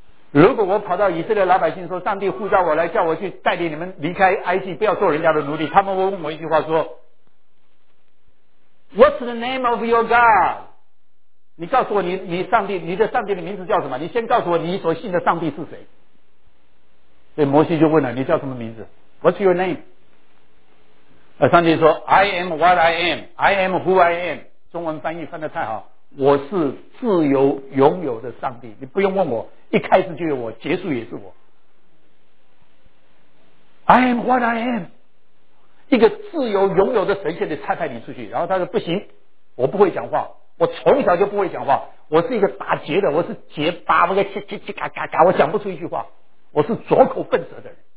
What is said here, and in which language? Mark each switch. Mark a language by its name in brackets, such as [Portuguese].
[Chinese] 如果我跑到以色列老百姓说，上帝呼召我来，叫我去带领你们离开埃及，不要做人家的奴隶，他们会问我一句话说 What's the name of your God？你告诉我 你的上帝的名字叫什么，你先告诉我你所信的上帝是谁。所以摩西就问了，你叫什么名字？ [English] What's your name？上帝说 I am what I am， I am who I am。 [Chinese] 中文翻译翻得太好，我是自由拥有的上帝，你不用问我，一开始就有我，结束也是我。 I am what I am，一个自由拥有的神仙得差派你出去。然后他说不行，我不会讲话，我从小就不会讲话，我是一个打结的，我是结巴，我嘎嘎嘎嘎，我讲不出一句话，我是拙口笨舌的人。